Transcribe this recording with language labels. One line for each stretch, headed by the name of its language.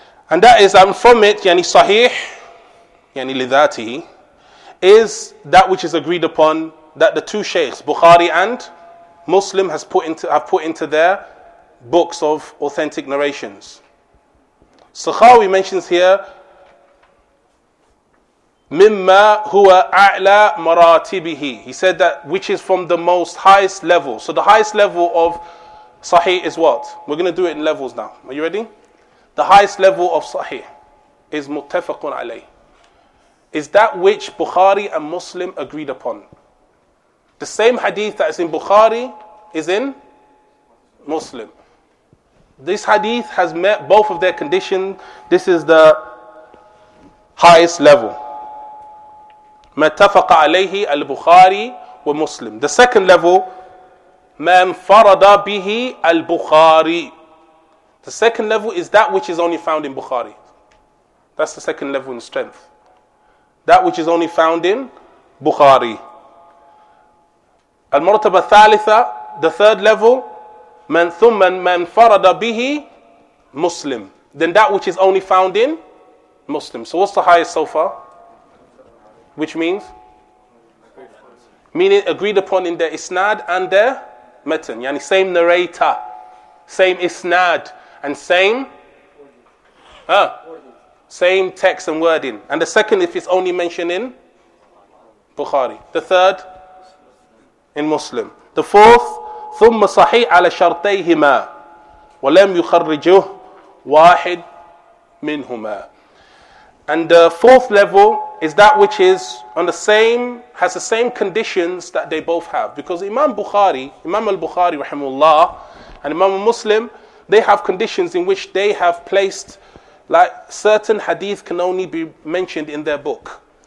English: And that is, and from it,
Arabic: يعني صحيح, يعني لذاته,
English: is that which is agreed upon, that the two sheikhs, Bukhari and Muslim, have put into their books of authentic narrations. Sakhawi mentions here,
Arabic: مما هو أعلى مراتبه.
English: He said that which is from the most highest level. So the highest level of sahih is what? We're going to do it in levels now. Are you ready? The highest level of sahih is
Arabic: متفقون عليه.
English: Is that which Bukhari and Muslim agreed upon. The same hadith that is in Bukhari is in Muslim. This hadith has met both of their conditions. This is the highest level.
Arabic: متفق عليه البخاري ومسلم.
English: The second level,
Arabic: ما انفرد به البخاري.
English: The second level is that which is only found in Bukhari. That's the second level in strength. That which is only found in Bukhari.
Arabic: المرتبة الثالثة,
English: the third level,
Arabic: من ثم ما انفرد به مسلم.
English: Then that which is only found in Muslim. So what's the highest so far? Which means? Meaning agreed upon in their isnad and their matan. Yani same narrator, same isnad, and same? Same text and wording. And the second, if it's only mentioned in Bukhari. The third? In Muslim. The fourth?
Arabic: ثم صحيح على شرطيهما ولم يخرجه واحد منهما.
English: And the fourth level is that which is on the same, has the same conditions that they both have. Because Imam al-Bukhari, rahimullah, and Imam al-Muslim, they have conditions in which they have placed, like, certain hadith can only be mentioned in their book.